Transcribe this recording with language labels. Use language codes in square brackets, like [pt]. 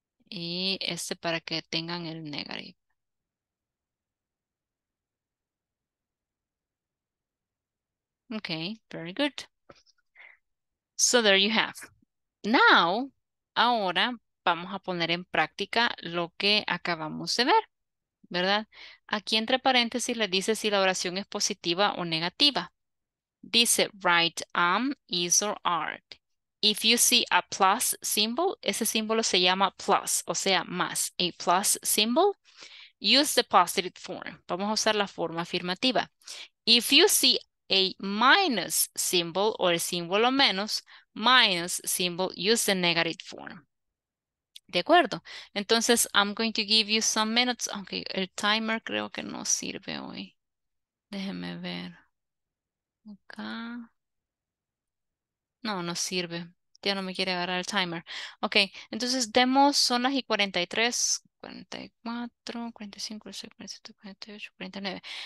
[es] Y este para que tengan el negative. [en] Okay, very good. So there you have. Now, ahora [es] vamos a poner en práctica lo que acabamos de ver, ¿verdad? Aquí entre paréntesis le dice si la oración es positiva o negativa. [en] Dice, right, am, is, or art. If you see a plus symbol, [es] ese símbolo se llama plus, o sea, más. [en] A plus symbol, use the positive form. [es] Vamos a usar la forma afirmativa. [en] If you see a minus symbol, [es] o el símbolo menos, [en] minus symbol, use the negative form. [es] ¿De acuerdo? [en] Entonces, I'm going to give you some minutes. [es] Ok, el timer creo que no sirve hoy. Déjeme ver. Acá. No, no sirve. Ya no me quiere agarrar el timer. Ok, entonces demos, son las y 43, 44, 45, 46, 47, 48, 49.